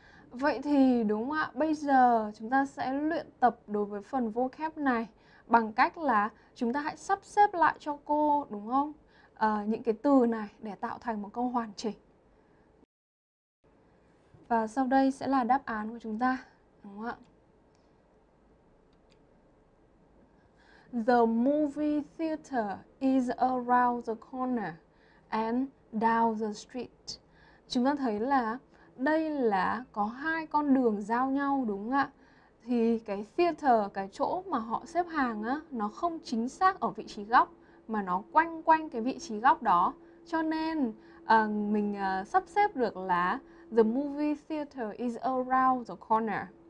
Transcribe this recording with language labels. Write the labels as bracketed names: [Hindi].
[Vietnamese] Vậy thì đúng không ạ? Bây giờ chúng ta sẽ luyện tập đối với phần vocab này bằng cách là chúng ta hãy sắp xếp lại cho cô, đúng không? Những cái từ này để tạo thành một câu hoàn chỉnh. Và sau đây sẽ là đáp án của chúng ta, đúng không ạ? [English] The movie theater is around the corner and down the street. [Vietnamese] Chúng ta thấy là đây là có hai con đường giao nhau, đúng không ạ? Thì cái theater, cái chỗ mà họ xếp hàng á, nó không chính xác ở vị trí góc, mà nó quanh quanh cái vị trí góc đó. Cho nên mình sắp xếp được là [English] the movie theater is around the corner.